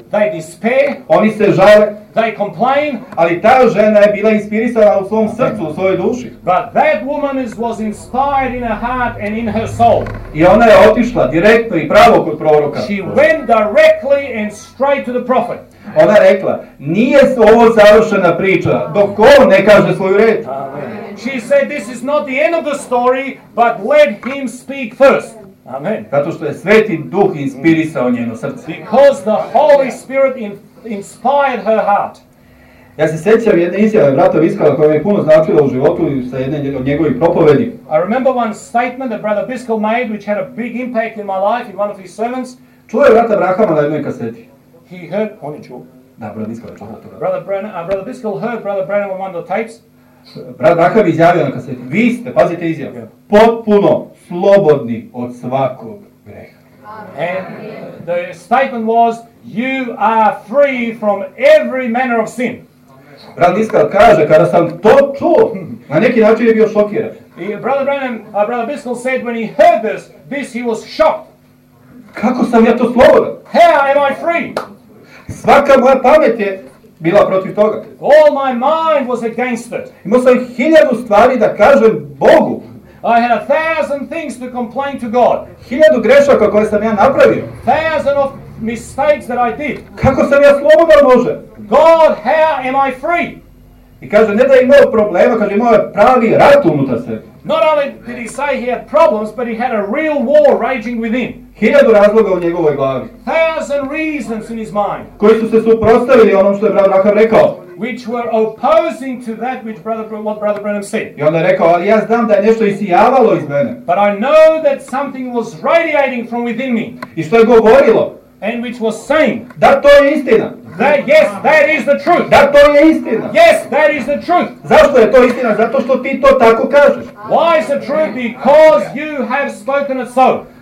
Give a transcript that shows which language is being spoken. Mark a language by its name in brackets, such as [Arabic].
[English] They despair. [Serbian] Oni se žale. [English] They complain. [Serbian] Ali ta žena je bila inspirisana u svom srcu, u svojoj duši. [English] But that woman was inspired in her heart and in her soul. [Serbian] I ona je otišla direktno i pravo kod proroka. [English] She went directly and straight to the prophet. [Serbian] Ona rekla, nije ovo završena priča, dok on ne kaže svoju reč. [English] She said, this is not the end of the story, but let him speak first. [Serbian] Amen. Zato što je Sveti Duh inspirisao njeno srce. [English] Because the Holy Spirit inspired her heart. [Serbian] Ja se sjećam jedne izjave brata Biskala koja mi puno značila u životu i sa jedne od njegovih propovedi. [English] I remember one statement that brother Biskal made which had a big impact in my life in one of his sermons. [Serbian] Čuo je brata Brahama na jednoj kaseti. [English] He heard, [Serbian] on je čuo. Da, [English] brother [Serbian] Biskal je čuo to. [English] Brother Biskal heard brother Branham on one of the tapes. [Serbian] Brat Brahama izjavio na kaseti. Vi ste, pazite izjavu. Yeah. Potpuno slobodni od svakog greha. [English] And the statement was, you are free from every manner of sin. [Serbian] Brat Biskal kaže, kada sam to čuo, na neki način je bio šokiran. [English] Brother Biskal said, when he heard this, he was shocked. [Serbian] Kako sam ja to slobodan? [English] How am I free? [Serbian] Svaka moja pamet je bila protiv toga. [English] All my mind was against it. [Serbian] Imao sam hiljadu stvari da kažem Bogu. [English] I had a thousand things to complain to God. [Serbian] Hiljadu grešaka koje sam ja napravio. [English] Thousand of mistakes that I did. [Serbian] Kako sam ja slobodan, Bože? [English] God, how am I free? [Serbian] I kaže, ne da imao problema, kaže imao je pravi rat unutar sebe. [English] Not only did he say he had problems, but he had a real war raging within. [Serbian] Hiljadu razloga u njegovoj glavi. [English] Thousand reasons in his mind. [Serbian] Koji su se suprotstavili onom što je brat Branham rekao. [English] Which were opposing to that which brother Branham said. [Serbian] I onda je rekao, ali ja znam da je nešto isijavalo iz mene. [English] But I know that something was radiating from within me. [Serbian] I što je govorilo. [English] And which was saying. [Serbian] Da to je istina. [English] That, yes, that is the truth. [Serbian] Da to je istina. [English] Yes, that is the truth. [Serbian] Zašto je to istina? Zato što ti to tako kažeš. [English] Why is the truth? Because you have spoken it so.